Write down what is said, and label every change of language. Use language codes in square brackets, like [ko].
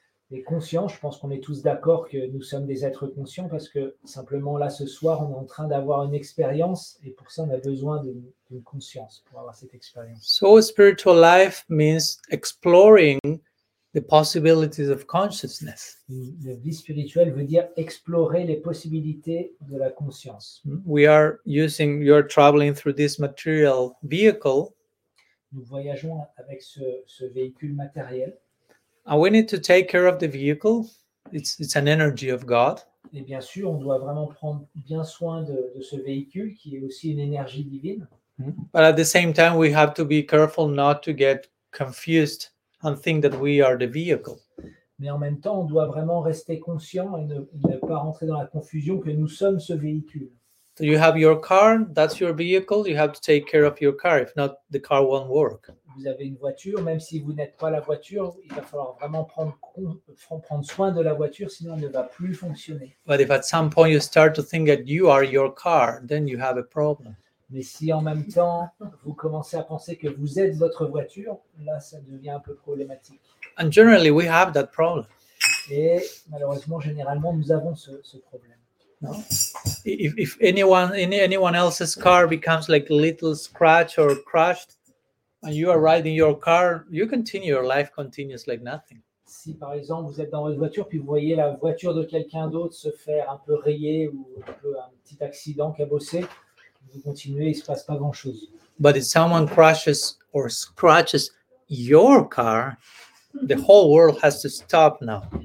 [fr] Et conscients, je pense qu'on est tous d'accord que nous sommes des êtres conscients parce que simplement là, ce soir, on est en train d'avoir une expérience et pour ça, on a besoin d'une conscience pour avoir cette expérience. [en] So spiritual life means exploring the possibilities of consciousness. [fr] La vie spirituelle veut dire explorer les possibilités de la conscience. [en] You are traveling through this material vehicle. [fr] Nous voyageons avec ce véhicule matériel. [en] And we need to take care of the vehicle. It's an energy of God. [fr] Et bien sûr, on doit vraiment prendre bien soin de ce véhicule qui est aussi une énergie divine. [en] But at the same time, we have to be careful not to get confused and think that we are the vehicle. [fr] Mais en même temps, on doit vraiment rester conscient et ne pas rentrer dans la confusion que nous sommes ce véhicule. [en] So you have your car, that's your vehicle. You have to take care of your car. If not, the car won't work. [fr] Vous avez une voiture, même si vous n'êtes pas la voiture, il va falloir vraiment prendre soin de la voiture, sinon elle ne va plus fonctionner. [en] But if at some point you start to think that you are your car, then you have a problem. [fr] Mais si en même temps vous commencez à penser que vous êtes votre voiture, là ça devient un peu problématique. [en] And generally we have that problem. [fr] Et malheureusement, généralement, nous avons ce problème. [en] No? If anyone else's car becomes like a little scratch or crushed, and you are riding your car, you continue your life continues like nothing. [fr] Si par exemple vous êtes dans votre voiture puis vous voyez la voiture de quelqu'un d'autre se faire un peu rayer ou un petit accident cabossé, vous continuez, il se passe pas grand chose. [en] But if someone crashes or scratches your car, the whole world has to stop now.